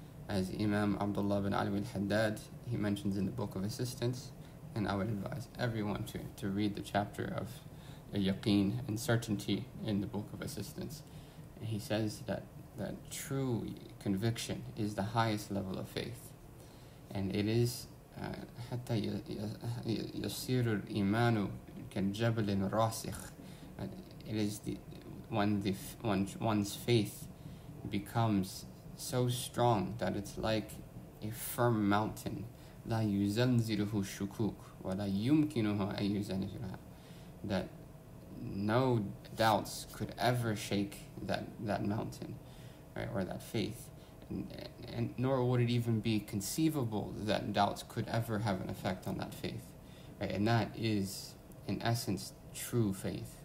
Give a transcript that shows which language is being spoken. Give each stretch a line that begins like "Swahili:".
English: As Imam Abdullah bin Ali al-Haddad, he mentions in the Book of Assistance, and I would advise everyone to read the chapter of yaqeen and certainty in the Book of Assistance. And he says that true conviction is the highest level of faith. And it is
Arabic: حتى يصير الإيمان كجبل راسخ.
English: It is when one's faith becomes so strong that it's like a firm mountain.
Arabic: لا يزلزله الشكوك ولا يمكنه أن يزلزلها.
English: That no doubts could ever shake that mountain, right, or that faith. And nor would it even be conceivable that doubts could ever have an effect on that faith, right? And that is, in essence, true faith.